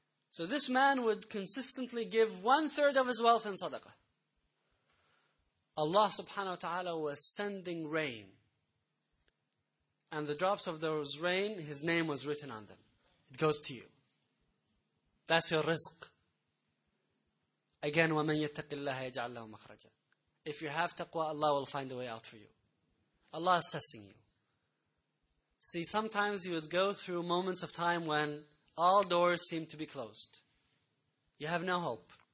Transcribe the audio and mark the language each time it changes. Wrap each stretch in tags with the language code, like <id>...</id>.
<en>So this man would consistently give one-third of his wealth in sadaqah. Allah subhanahu wa ta'ala was sending rain. And the drops of those rain, his name was written on them. It goes to you. That's your rizq. Again,</en> <ar>وَمَنْ يَتَّقِ اللَّهَ يَجْعَلْ لَهُ مَخْرَجًا.</ar> <en>If you have taqwa, Allah will find a way out for you. Allah is assessing you. See, sometimes you would go through moments of time when all doors seem to be closed. You have no hope.</en>